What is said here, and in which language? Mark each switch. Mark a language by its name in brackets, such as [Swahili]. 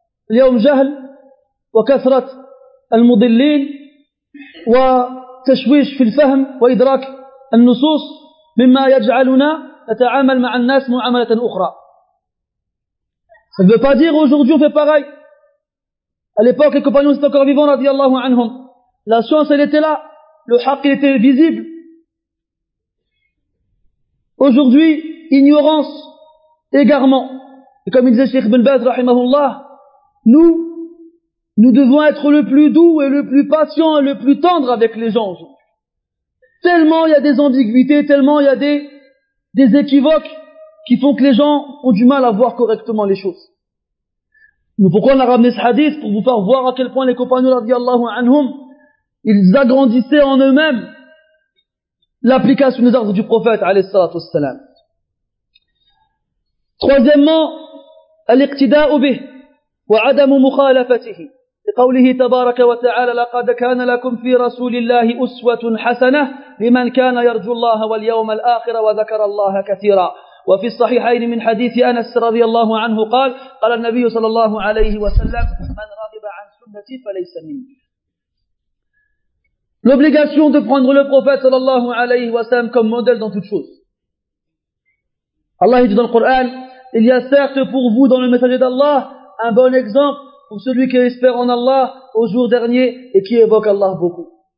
[Arabic] اليوم جهل وكثرة المضلين وتشويش في الفهم وإدراك النصوص مما يجعلنا نتعامل مع الناس معاملة أخرى. [French] Ça ne veut pas dire aujourd'hui on fait pareil. À l'époque les compagnons étaient encore vivants رضي الله عنهم. La science elle était là, le haq il était visible. Aujourd'hui ignorance, égarement. Et comme il disait Cheikh Ibn Baz رحمه الله, Nous devons être le plus doux et le plus patient et le plus tendre avec les gens aujourd'hui. Tellement il y a des ambiguïtés, tellement il y a des équivoques qui font que les gens ont du mal à voir correctement les choses. Mais pourquoi on a ramené ce hadith? Pour vous faire voir à quel point les compagnons, radiallahu anhum, ils agrandissaient en eux-mêmes l'application des ordres du prophète, alayhi salatu wassalam. Troisièmement, al-iqtida ubih. [Arabic] وعدم مخالفته لقوله تبارك وتعالى لقد كان لكم في رسول الله أسوة حسنة لمن كان يرجو الله واليوم الآخر وذكر الله كثيرا. وفي الصحيحين من حديث أنس رضي الله عنه قال قال النبي صلى الله عليه وسلم من راغب عن سنتي فليس مني. [French] L'obligation de prendre le prophète صلى الله عليه وسلم comme modèle dans toutes choses. Allah dit dans le Coran, il y a certes pour vous dans le messager d'Allah un bon exemple pour celui qui espère en Allah au jour dernier et qui évoque Allah beaucoup.